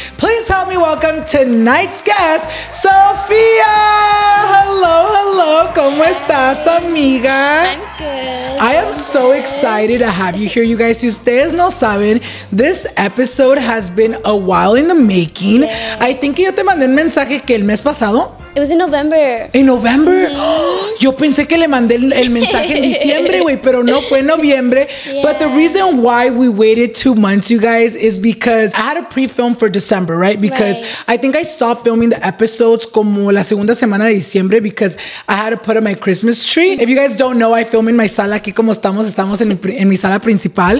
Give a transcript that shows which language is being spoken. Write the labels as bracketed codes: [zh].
[en] Please help me welcome tonight's guest, Sofia. Hello, hello. [es] ¿Cómo estás, amiga? [en] I'm good. I am so excited to have you here, you guys. [es] Si ustedes no saben, [en] this episode has been a while in the making. Yay. I think [es] yo te mandé un mensaje que el mes pasado. [en] It was in November. [es] ¿En November? Mm-hmm. Oh, yo pensé que le mandé el mensaje en diciembre, güey, pero no fue en noviembre. [en] Yeah. But the reason why we waited 2 months, you guys, is because I had a pre-film for December, right? Because right. I think I stopped filming the episodes [es] como la segunda semana de diciembre [en] because I had to put up my Christmas tree. If you guys don't know, I film in my sala [es] aquí como estamos en mi sala principal.